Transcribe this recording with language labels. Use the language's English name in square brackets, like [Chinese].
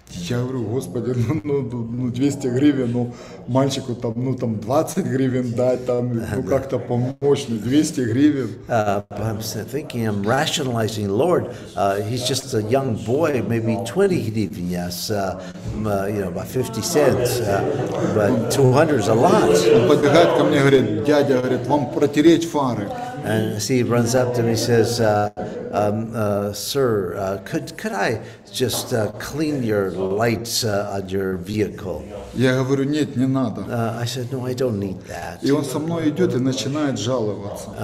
[Russian] Я говорю, Господи, ну 200 гривен, ну мальчику там, ну там 20 гривен дать, там, ну как-то помочь, ну 200 гривен. [English] I'm rationalizing, Lord, he's just a young boy, maybe 20 гривен, yes, you know, about 50 cents, but 200 is a lot. [Russian] Он подбегает ко мне, говорит, дядя, говорит, вам протереть фары. [English] And see, he runs up to me and says, sir, could I just clean your lights on your vehicle? [Russian] Я говорю, нет, не надо. [English] I said, no, I don't need that. [Russian] И он со мной идет и начинает жаловаться.